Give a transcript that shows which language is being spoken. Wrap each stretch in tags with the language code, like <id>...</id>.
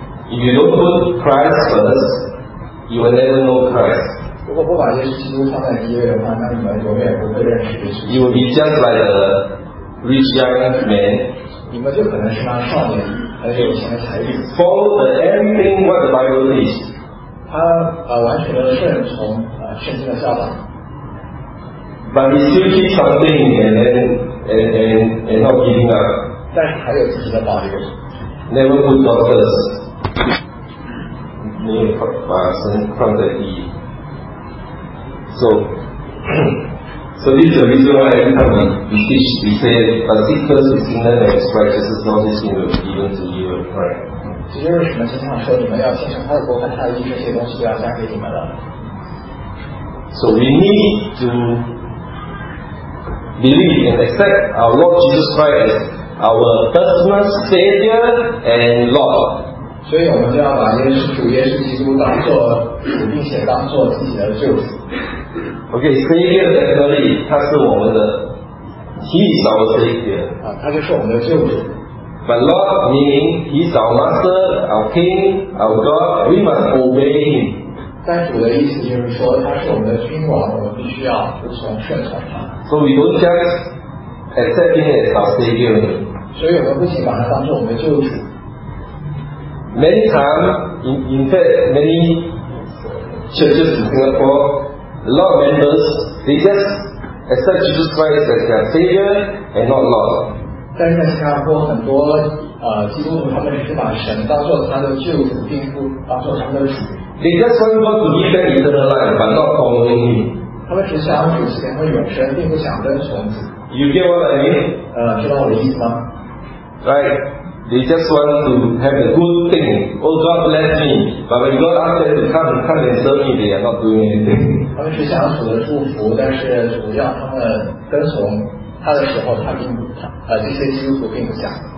<en>If you don't put Christ first, you will never know Christ.</en> <zh>如果不把耶稣基督放在第一位的话，那你们永远不会认识耶稣。</zh> <en>You will be just like a rich young man.</en> <zh>你们就可能是那少年，很有钱的财主。</zh> <en>Follow everything what the Bible teaches.</en> <zh>他完全的顺从圣经的教导。</zh> <en>But he still keeps something and not giving up.</en> <zh>但是还有自己的保留。</zh> <en>Never put God first.</en> <zh>没有把神放在第一。</zh> <en>So this is the reason why every time we teach, we say, but seek first his kingdom and his righteousness, all these things will be given to you, right?</en> <zh>这就是什么经常说你们要先生他的国和他的义，这些东西就要加给你们了。</zh> <en>So we need to believe and accept our Lord Jesus Christ as our personal Savior and Lord.</en> <zh>所以我们就要把耶稣基督当作主，并且当作自己的救主。</zh> <en>OK, Savior definitely</en> <zh>他是我们的</zh> <en>He is our savior.</en> <zh>啊，他就是我们的救主。</zh> <en>But Lord meaning He is our master, our king, our God. We must obey Him.</en> <zh>但主的意思就是说，他是我们的君王，我们必须要服从顺从他。</zh> <en>So we don't just accept Him as our savior.</en> <zh>所以我们不仅把他当作我们的救主。</zh> <en>Many times, in fact, many churches in Singapore, a lot of members, they just accept Jesus Christ as their Savior and not Lord.</en> <zh>但是在新加坡很多基督徒他们是把神当作他的救主，并不当作他的主。</zh> <en>They just want to live their eternal life, but not following Him.</en> <zh>他们只想主持和永生，并不想跟从主。</zh> <en>You get what I mean?</en> <zh>知道我的意思吗？</zh> <en>Right. They just want to have a good thing. Oh God bless me. But when God asks them to come, come and serve me, they are not doing anything.</en> <zh>他们是想主的祝福，但是主要他们跟从他的时候，他并不这些基督徒并不想。</zh>